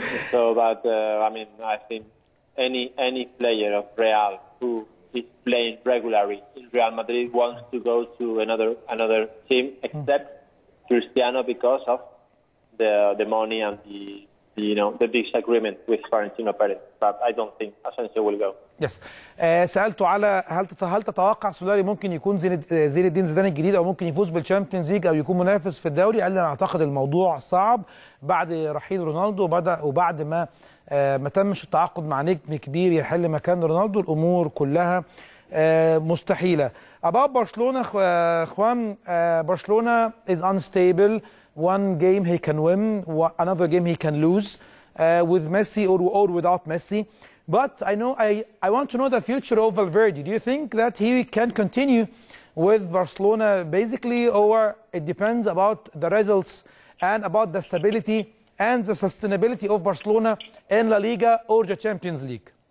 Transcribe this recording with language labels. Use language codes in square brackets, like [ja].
[en] So, but I mean, I think any player of Real who is playing regularly in Real Madrid wants to go to another team, except Cristiano, because of the money and the disagreement with Florentino Perez. But I don't think Asensio will go. Yes. [ar] سألته على هل تتوقع سولاري ممكن يكون زين الدين زيدان الجديد او ممكن يفوز بالشامبيونز ليج او يكون منافس في الدوري؟ قال لي انا اعتقد الموضوع صعب بعد رحيل رونالدو وبعد ما تمش التعاقد مع نجم كبير يحل مكان رونالدو، الامور كلها مستحيله. [en] About Barcelona اخوان، Barcelona is unstable. One game he can win, another game he can lose with Messi or without Messi. But I know I want to know the future of Valverde. Do you think that he can continue with Barcelona basically, or it depends about the results and about the stability and the sustainability of Barcelona in La Liga or the Champions League?